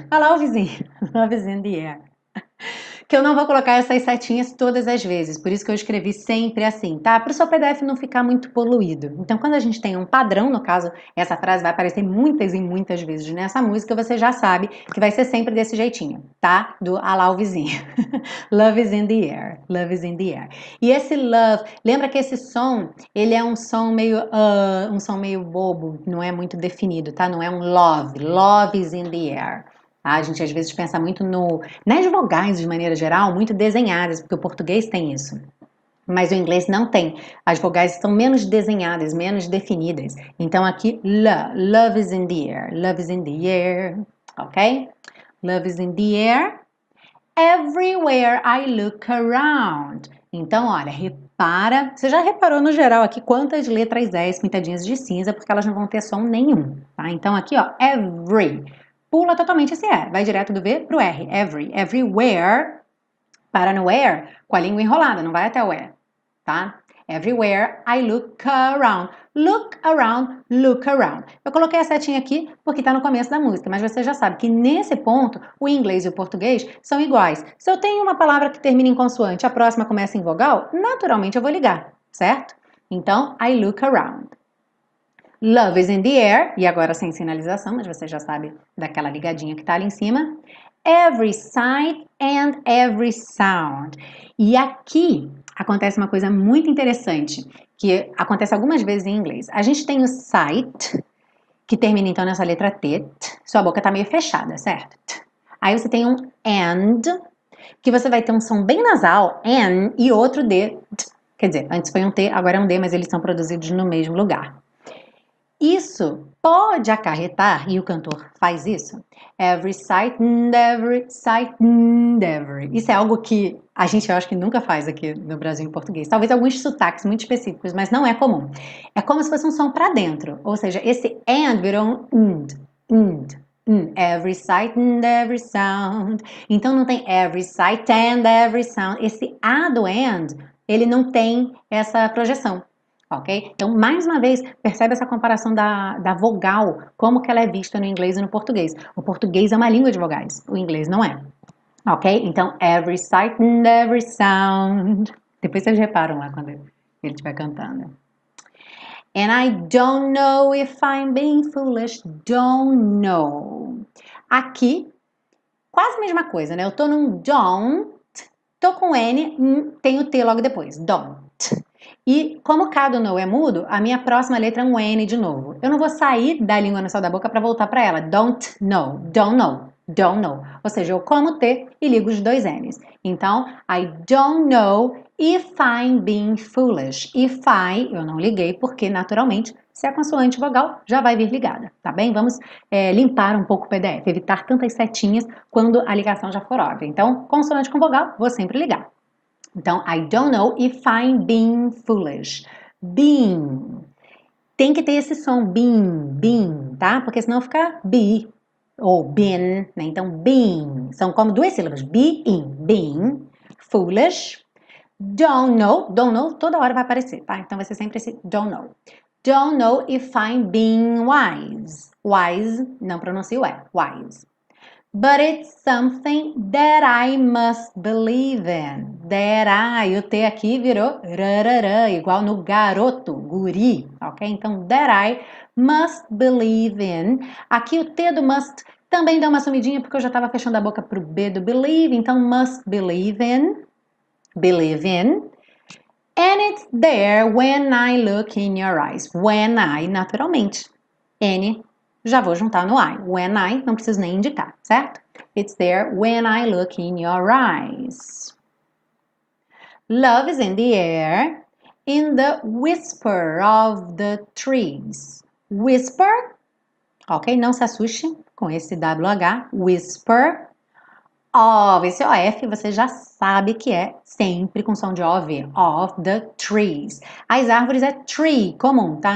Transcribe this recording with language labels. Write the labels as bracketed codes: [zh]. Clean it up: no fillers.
[pt] Olha lá o vizinho, [en] love is in the air. [pt] Que eu não vou colocar essas setinhas todas as vezes, por isso que eu escrevi sempre assim, tá? Para o seu PDF não ficar muito poluído. Então, quando a gente tem um padrão, no caso, essa frase vai aparecer muitas e muitas vezes nessa música, você já sabe que vai ser sempre desse jeitinho, tá? Do olha lá o vizinho. [en] Love is in the air, love is in the air. [pt] E esse love, lembra que esse som, ele é um som meio bobo, não é muito definido, tá? Não é um love, [en] love is in the air. [pt] A gente às vezes pensa muito no nas vogais de maneira geral, muito desenhadas, porque o português tem isso, mas o inglês não tem. As vogais estão menos desenhadas, menos definidas. Então aqui, [en] love is in the air, love is in the air, ok? Love is in the air. Everywhere I look around. [pt] Então, olha, repara, você já reparou no geral aqui quantas letras S pintadinhas de cinza, porque elas não vão ter som nenhum, tá? Então aqui, ó, every. Pula totalmente esse R, vai direto do V pro R. Every, everywhere, para no where, com a língua enrolada, não vai até o E, tá? [en] Everywhere I look around. Look around, look around. [pt] Eu coloquei a setinha aqui porque está no começo da música, mas você já sabe que nesse ponto o inglês e o português são iguais. Se eu tenho uma palavra que termina em consoante, a próxima começa em vogal, naturalmente eu vou ligar, certo? Então, [en] I look around. Love is in the air, [pt] e agora sem sinalização, mas você já sabe daquela ligadinha que tá ali em cima. [en] Every sight and every sound. [pt] E aqui acontece uma coisa muito interessante, que acontece algumas vezes em inglês. A gente tem o sight, que termina então nessa letra T. Sua boca tá meio fechada, certo? Aí você tem um and, que você vai ter um som bem nasal, and, e outro D. Quer dizer, antes foi um T, agora é um D, mas eles são produzidos no mesmo lugar. Isso pode acarretar, e o cantor faz isso, [en] every sight and every [pt] sight and every. Isso é algo que a gente, eu acho que nunca faz aqui no Brasil em português. Talvez alguns sotaques muito específicos, mas não é comum. É como se fosse um som para dentro. Ou seja, esse and virou um and, and, and. [en] Every sight and every sound. [pt] Então não tem [en] every sight and every sound. [pt] Esse A do and, ele não tem essa projeção. Ok? Então, mais uma vez, percebe essa comparação da vogal, como que ela é vista no inglês e no português. O português é uma língua de vogais, o inglês não é. Ok? [en] Então, every sight and every sound. [pt] Depois vocês reparam lá quando ele estiver cantando. [en] And I don't know if I'm being foolish, don't know. [pt] Aqui, quase a mesma coisa, né? Eu tô num don't, tô com N, tem o T logo depois, don't. E como cada no é mudo, a minha próxima letra é um N de novo. Eu não vou sair da língua no céu da boca para voltar para ela. Don't know, don't know, don't know. Ou seja, eu como T e ligo os dois N's. [en] Então, I don't know if I'm being foolish. [pt] If I, eu não liguei, porque naturalmente, se é a consoante vogal, já vai vir ligada. Tá bem? Vamos limpar um pouco o PDF, evitar tantas setinhas quando a ligação já for óbvia. Então, consoante com vogal, vou sempre ligar. [en] Então, I don't know if I'm being foolish. [pt] Being. Tem que ter esse som, being, being, tá? Porque senão fica be ou been, né? Então, being. São como duas sílabas. Being, being, foolish. Don't know, toda hora vai aparecer, tá? Então, vai ser sempre esse don't know. [en] Don't know if I'm being wise. [pt] Wise, não pronuncio é, wise. [en] But it's something that I must believe in. [pt] That I, o T aqui virou rarara, igual no garoto, guri, ok? [en] Então, that I must believe in. [pt] Aqui o T do must também deu uma sumidinha porque eu já estava fechando a boca pro B do believe. [en] Então, must believe in. And it's there when I look in your eyes. [pt] When I, naturalmente. N, já vou juntar no I. When I, não preciso nem indicar, certo? [en] It's there when I look in your eyes. Love is in the air, in the whisper of the trees. Whisper, ok? [pt] Não se assuste com esse WH. Whisper of, esse OF você já sabe que é sempre com som de OV. Of the trees. As árvores é tree, comum, tá?